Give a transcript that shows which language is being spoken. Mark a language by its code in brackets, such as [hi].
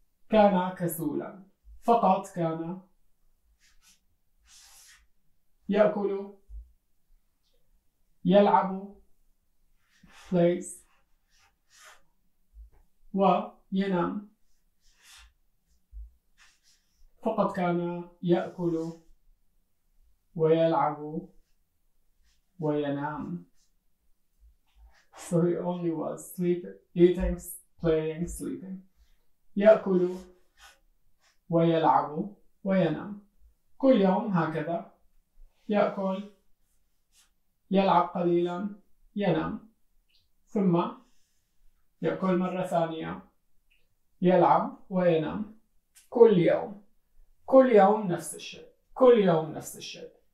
[ar] كان كسولا فقط، كان يأكل يلعب plays وينام فقط، كان يأكل ويلعب وينام. [en] So he only was sleeping, eating, playing, sleeping. [ar] يأكل ويلعب وينام كل يوم هكذا، يأكل يلعب قليلا ينام، ثم يأكل مرة ثانية يلعب وينام كل يوم، كل يوم نفس الشيء، كل يوم نفس الشيء.